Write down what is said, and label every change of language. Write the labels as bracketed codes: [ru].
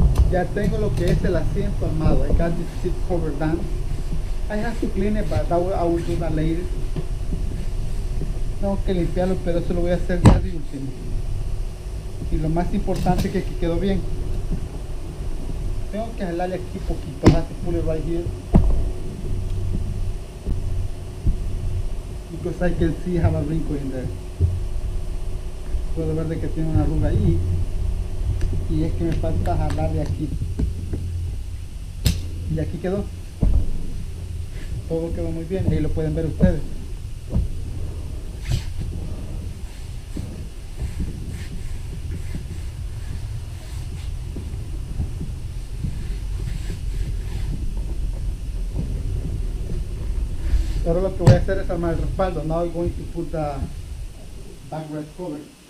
[es] Ya tengo lo que es el asiento armado. [en] I got this seat cover done. I have to clean it, but that will, I will do that later. [es] Tengo que limpiarlo, pero eso lo voy a hacer ya de último. Y lo más importante es que aquí quedó bien. Tengo que jalarle aquí poquito. [en] I have to pull it right here. Because I can see have a wrinkle in there. [es] Puedo ver de que tiene una arruga ahí. Y es que me falta jalar de aquí. Y aquí quedó. Todo quedó muy bien. Ahí lo pueden ver ustedes. Ahora lo que voy a hacer es armar el respaldo. [en] Now I'm going to put the backrest cover.